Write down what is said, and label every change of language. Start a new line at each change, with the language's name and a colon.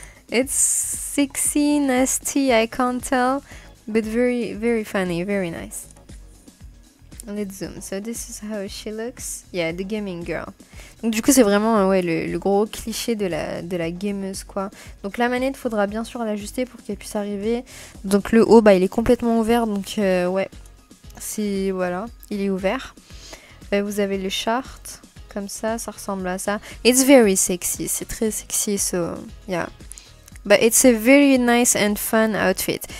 English: It's sexy, nasty, I can't tell, but very, very funny, very nice. Let's zoom. So this is how she looks. Yeah, the gaming girl.
French: Donc du coup, c'est vraiment ouais, le gros cliché de la gameuse, quoi. Donc la manette, faudra bien sûr l'ajuster pour qu'elle puisse arriver. Donc le haut, bah, il est complètement ouvert, donc ouais, si, voilà, il est ouvert. Bah, vous avez le short, comme ça, ça ressemble à ça.
English: It's very sexy,
French: c'est très sexy,
English: so yeah. But it's a very nice and fun outfit.